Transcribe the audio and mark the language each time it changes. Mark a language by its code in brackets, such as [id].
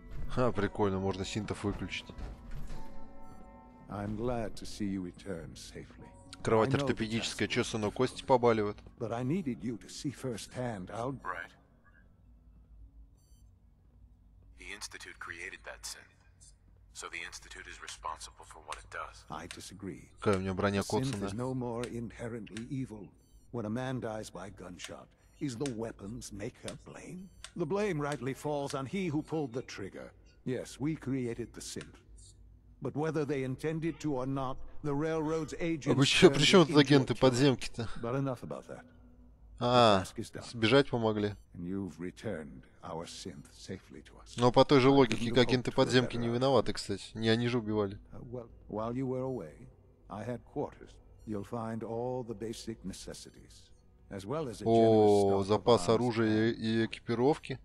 [ru] Ха, прикольно, можно синтов выключить. Кровать ортопедическая, чё, сынок, кости побаливают? [en] But I needed you to see firsthand, Albright. The Institute created that synth, so the Institute is responsible for what it does. I disagree. [ru] Какая у меня броня коцана? [en] The synth is no more inherently evil. When a man dies by gunshot, is the weapon's maker blame? The blame rightly falls on he who pulled the trigger. Yes, we created the synth, but whether they intended to or not. The railroad's agents. [ru] А при чем тут агенты подземки-то? [en] But enough about that. [ru] А, сбежать помогли. Но по той же логике, агенты подземки не виноваты, кстати. Не они же убивали. [en] While you were away, I had quarters. You'll find all the basic necessities, as well as a generous stock of arms. [ru] О, запас оружия и экипировки.